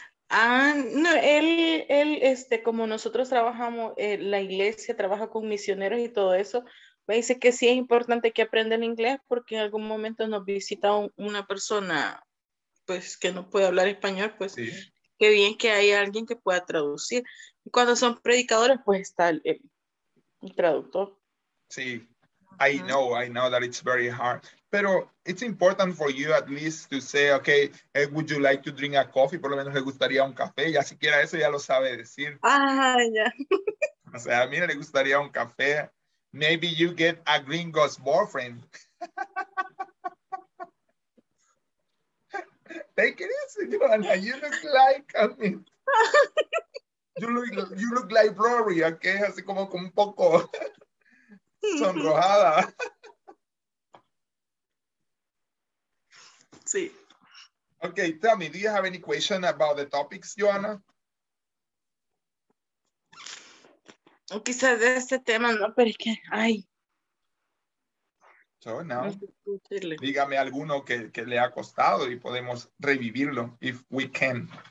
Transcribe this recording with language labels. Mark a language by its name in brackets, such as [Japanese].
[Spanish] No, él, como nosotros trabajamos, la iglesia trabaja con misioneros y todo eso, me dice que sí es importante que aprenda el inglés porque en algún momento nos visita una persona, pues, que no puede hablar español, pues, sí. Qué bien que haya alguien que pueda traducir. Cuando son predicadores, pues, está el traductor. Sí. [English] I know that it's very hard, [Spanish] pero [English] it's important for you at least to say, okay, hey, would you like to drink a coffee? [Spanish] Por lo menos le gustaría un café, ya siquiera eso ya lo sabe decir. [English] Ah, yeah. [Spanish] O sea, a mí le gustaría un café. [English] Maybe you get a gringo's boyfriend. Take it easy, Joanna. You look like, I mean, you look like Rory, okay? [Spanish] Así como con un poco... sonrojada. Sí. [English] Okay, tell me, do you have any question about the topics, Joanna? [Spanish] Quizás de este tema, no, pero es que, ay. [English] So now, [Spanish] dígame alguno que le ha costado y podemos revivirlo, [English] if we can.